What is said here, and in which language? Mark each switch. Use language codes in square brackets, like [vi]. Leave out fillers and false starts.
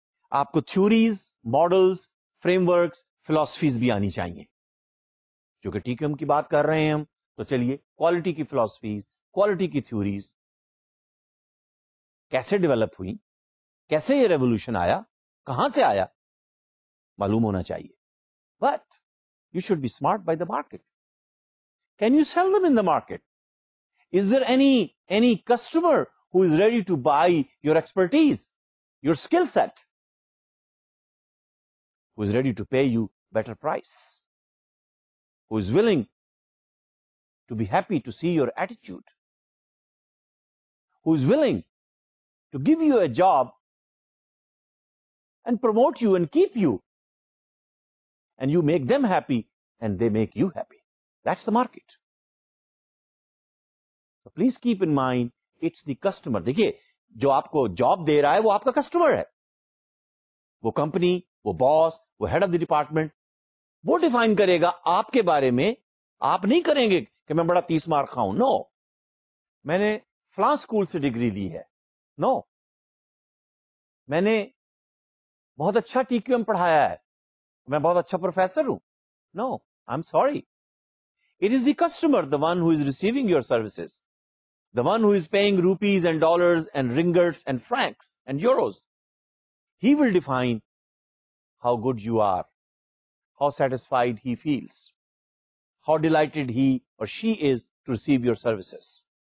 [ur] آپ کو theories, models, frame works, philosophies بھی آنی چاہیے. کیونکہ ٹی کیو ایم کی بات کر رہے ہیں ہم, تو چلیے کوالٹی کی فلاسفیز, کوالٹی کی تھیوریز کیسے ڈیولپ ہوئی, کیسے یہ ریولوشن آیا, کہاں سے آیا, معلوم ہونا چاہیے. [en] But you should be smart by the market. Can you sell them in the market? Is there any customer who is ready to buy your expertise, your skill set, who is ready to pay you better price, who is willing to be happy to see your attitude, who is willing to give you a job and promote you and keep you, and you make them happy and they make you happy? That's the market. Please keep in mind it's the customer. [ur] دیکھیے, جو آپ کو job دے رہا ہے وہ آپ کا customer ہے. وہ کمپنی, وہ باس, وہ [en] head of the department, [ur] وہ ڈیفائن کرے گا آپ کے بارے میں. آپ نہیں کریں گے کہ میں بڑا 30 مارک کھاؤں, نو, میں نے فلاں اسکول سے ڈگری لی ہے, نو, میں نے بہت اچھا ٹی کیو ایم پڑھایا ہے, میں بہت اچھا پروفیسر ہوں, نو, [en] I am sorry. It is the customer, the one who is receiving your services, the one who is paying rupees and dollars and ringgits and francs and euros. He will define how good you are, how satisfied he feels, how delighted he or she is to receive your services.